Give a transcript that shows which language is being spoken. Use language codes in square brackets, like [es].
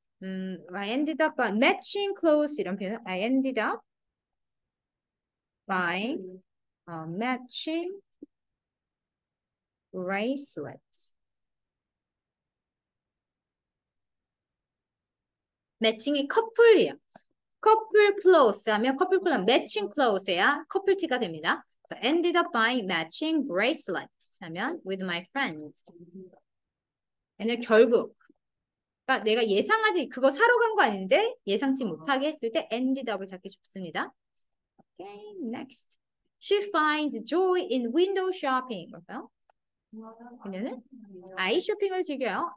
[en] I ended up buying matching clothes. [ko] 이런 표현. [en] I ended up buying matching bracelets. [ko] 매칭이 커플이에요. 커플 클로스 하면 커플 클로스 매칭 클로스야 커플 티가 됩니다. [en] So ended up buying matching bracelets [ko] 하면 [en] with my friends. [ko] 근데 결국 그러니까 내가 예상하지 그거 사러 간거 아닌데 예상치 못하게 했을 때 ended up을 찾기 쉽습니다. [en] Okay, next. She finds joy in window shopping. [ko] 그럴까요? 그녀는 아이 쇼핑을 즐겨요.